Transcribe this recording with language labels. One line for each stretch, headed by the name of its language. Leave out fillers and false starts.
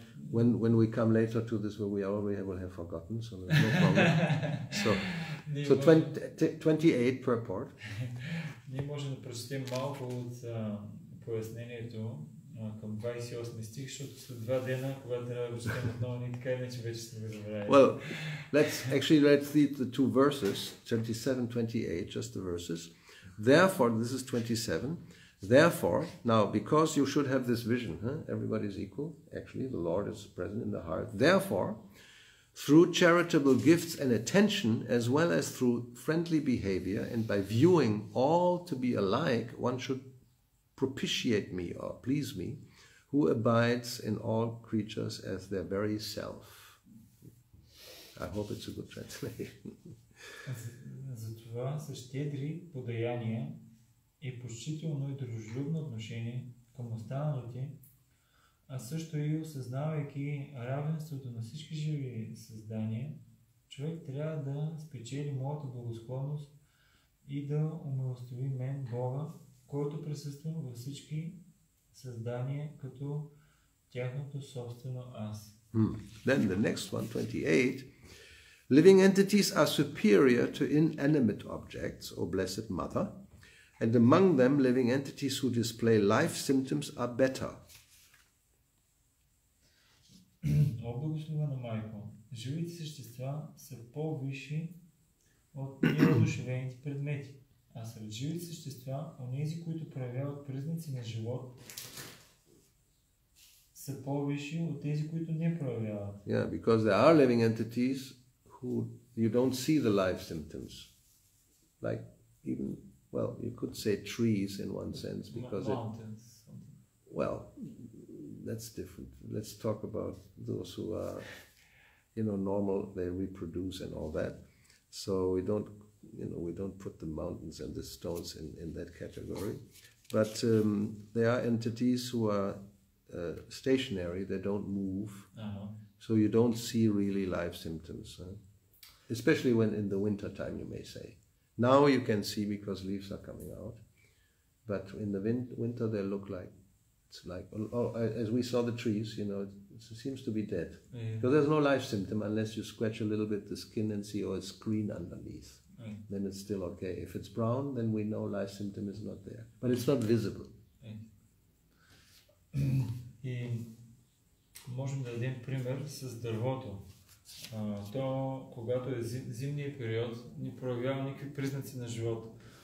English: When we come later to this, where we already will have forgotten, so there's no problem. So 28 per part.
Bulgarian: Ние можем да прочетем малко от пояснението към 28 стих, защото след два дена, когато трябва да го четем отново, ние така иначе вече сме забравили.
English: Well, let's read the two verses, 27, 28, just the verses. Therefore, this is 27, therefore, now, because you should have this vision, huh? Everybody is equal, actually, the Lord is present in the heart. Therefore, through charitable gifts and attention, as well as through friendly behavior, and by viewing all to be alike, one should propitiate me or please me, who abides in all creatures as their very self. I hope it's a good translation.
Bulgarian: Затова със щедри подаяния и почтително и дружелюбно отношение към останалите, а също и осъзнавайки равенството на всички живи създания, човек трябва да спечели моята благосклонност и да умилостиви мен, Бога, който присъства във всички създания като тяхното собствено аз.
English: Then the next one, 28. Living entities are superior to inanimate objects, O Blessed Mother, and among them living entities who display life symptoms are better.
Bulgarian: О, благословена майко, живите същества са по-висши от неодушевените предмети. А сред живите същества, онези, които проявяват признаци на живот, са по-висши от тези, които не проявяват.
English: Yeah, because there are living entities who you don't see the life symptoms. Like even, well, you could say trees in one sense, because mountains. Well, that's different. Let's talk about those who are, you know, normal, they reproduce and all that. So we don't, you know, we don't put the mountains and the stones in that category, but there are entities who are stationary, they don't move, so you don't see really life symptoms, especially when in the winter time, you may say. Now you can see because leaves are coming out, but in the winter they look like, it's like, as we saw the trees, you know, it seems to be dead, because there's no life symptom unless you scratch a little bit the skin and see, oh, it's green underneath. Then it's still okay. If it's brown, then we know life symptom is not there. But it's not visible.
Bulgarian: И можем да дадем пример с дървото. То, когато е зимния период, не проявява никакви признаци на живот.